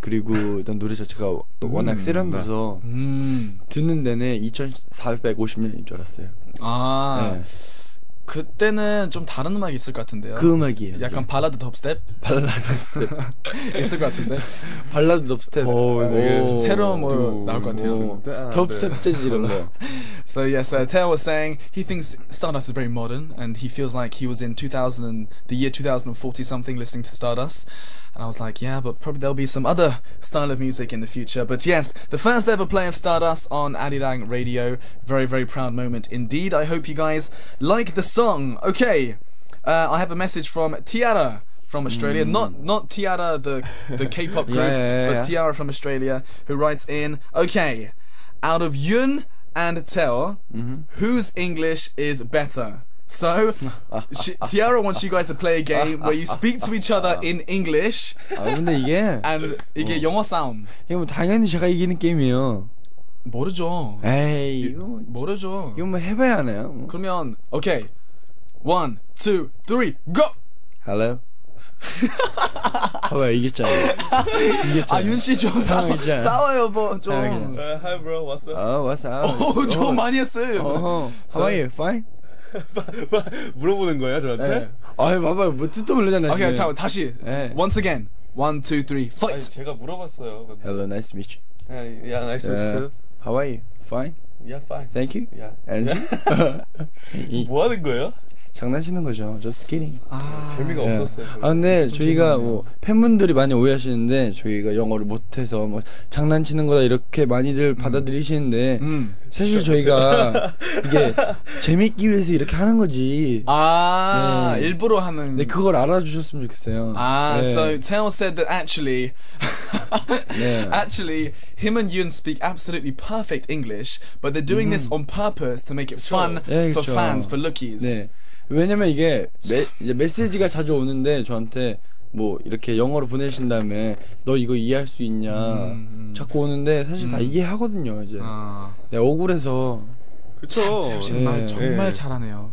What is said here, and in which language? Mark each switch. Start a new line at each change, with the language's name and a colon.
Korean: 그리고 일단 노래 자체가 워낙 세련돼서 듣는 내내 2450년인 줄 알았어요. 아. 네. 그때는 좀 다른 음악이 있을 것 같은데요. 그 음악이에요. 약간 이게. 발라드 덥스텝? 발라드 덥스텝. 있을 것 같은데. 발라드 덥스텝. 오, 이게 오, 좀 새로운 뭐 나올 것 같아요. 덥스텝 재즈 이런 거.
English: So yes, Teo was saying he thinks Stardust is very modern and he feels like he was in 2000 and the year 2040 something listening to Stardust. And I was like, yeah, but probably there'll be some other style of music in the future. But yes, the first ever play of Stardust on Arirang Radio. Very, very proud moment indeed. I hope you guys like the song. Okay, I have a message from Tiara from Australia. Mm. Not Tiara, the K-pop group, yeah. But Tiara from Australia, who writes in, okay, out of Yun and Teo, whose English is better? So, Tiara wants you guys to play a game where you speak to each other in English.
Korean: 아 근데 이게 and 이게 뭐, 영어 싸움. 이거 뭐 당연히 제가 이기는 게임이에요. 모르죠. 에이 이거 모르죠. 이거 뭐 해봐야 하나요? 뭐. 그러면 오케이
English: one, two, three, go.
Korean: Hello. 봐봐 이겼잖아. 이겼잖아. 아 윤 씨 좀 싸워요. 싸워요 뭐 좀.
English: Hi bro, what's up? Oh, what's up?
Korean: 오 좀 많이 했어요.
English: So, how are you? Fine.
Korean: 물어보는 거예요 저한테? 네. 아니 봐봐 뭐 뜻도 몰랐잖아
English: 오케이 okay,
Korean: 잠깐 다시 네.
English: Once again 1, 2, 3 Fight!
Korean: 아니 제가 물어봤어요 근데.
English: Hello, nice to meet you. Yeah, nice to meet you too. How are you? Fine? Yeah, fine. Thank you? Yeah. And
Korean: yeah? 뭐 하는 거예요? 장난치는 거죠.
English: Just kidding.
Korean: 아, 재미가 네. 없었어요. 아 근데 저희가 뭐 팬분들이 많이 오해하시는데 저희가 영어를 못해서 뭐 장난치는 거다 이렇게 많이들 받아들이시는데 사실 저희가 이게 재밌기 위해서 이렇게 하는 거지. 아 네. 일부러 하는. 네 그걸 알아주셨으면 좋겠어요. 아 네.
English: So Teo said that actually,
Korean: 네.
English: actually him and Yun speak absolutely perfect English, but they're doing this on purpose to make it
Korean: 그쵸.
English: fun
Korean: 네,
English: for
Korean: 그쵸.
English: fans for lookies.
Korean: 네. 왜냐면 이게 이제 메시지가 자주 오는데 저한테 뭐 이렇게 영어로 보내신 다음에 너 이거 이해할 수 있냐 자꾸 오는데 사실 다 이해하거든요 이제 아. 네, 억울해서 그쵸 참, 네. 말 정말 네. 잘하네요